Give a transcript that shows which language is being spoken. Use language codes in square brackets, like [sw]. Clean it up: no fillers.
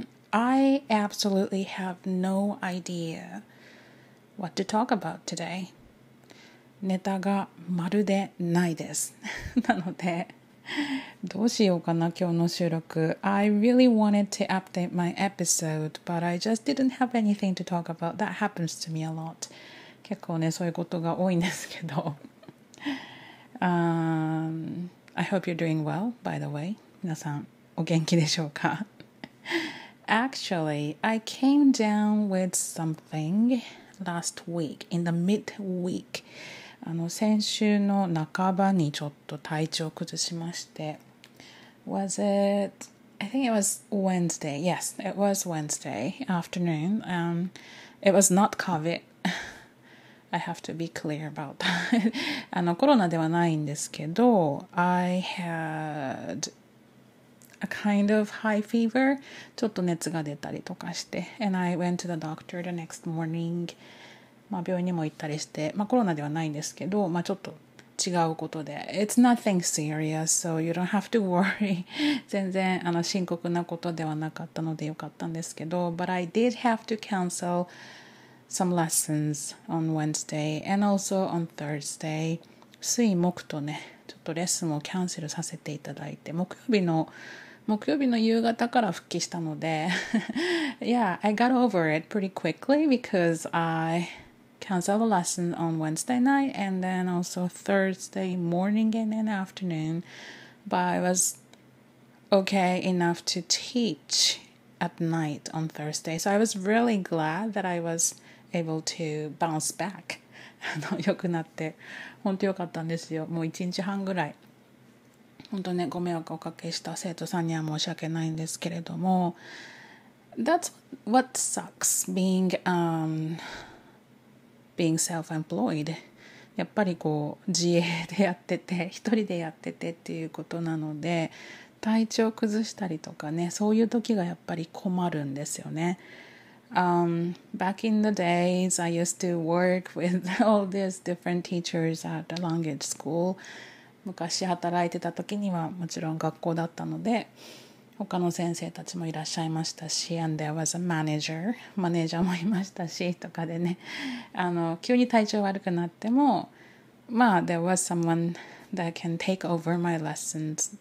[en] I absolutely have no idea what to talk about today. [ja] ネタがまるでないです。なので、どうしようかな、今日の収録。 [en] I really wanted to update my episode, but I just didn't have anything to talk about. That happens to me a lot. [ja] 結構ね、そういうことが多いんですけど。 [en] I hope you're doing well, by the way. [ja] 皆さん、お元気でしょうか? [en] Actually, I came down with something last week, in the midweek. [ja] 先週の半ばにちょっと体調を崩しまして。 [en] Was it? I think it was Wednesday. Yes, it was Wednesday afternoon. It was not COVID. I have to be clear about that. [ja] コロナではないんですけど、 [en] I had a kind of high fever. [ja] ちょっと熱が出たりとかして。 [en] And I went to the doctor the next morning. [ja] まあ、病院にも行ったりして、まあ、コロナではないんですけど、まあ、ちょっと違うことで。 [en] It's nothing serious, so you don't have to worry. [ja] 全然深刻なことではなかったのでよかったんですけど、 [en] But I did have to cancel some lessons on Wednesday and also on Thursday. [ja] 水木とね、ちょっとレッスンをキャンセルさせていただいて、木曜日の夕方から復帰したので [en] Yeah, I got over it pretty quickly because I canceled a lesson on Wednesday night and then also Thursday morning and then afternoon but I was okay enough to teach at night on Thursday so I was really glad that I was able to bounce back. [ja] 良くなって本当良かったんですよ。もう1日半ぐらい本当ね、ご迷惑をおかけした生徒さんには申し訳ないんですけれども、 [en] That's what sucks being, being self-employed. [ja] やっぱりこう自営でやってて、一人でやっててっていうことなので、体調崩したりとかね、そういう時がやっぱり困るんですよね。 [en] Back in the days, I used to work with all these different teachers at the language school. [ja] 昔働いてた時にはもちろん学校だったので、他の先生たちもいらっしゃいましたし、 [en] and there was a manager, [ja] マネージャーもいましたしとかでね、急に体調悪くなっても、まあ、 [en] there was someone that can take over my lessons.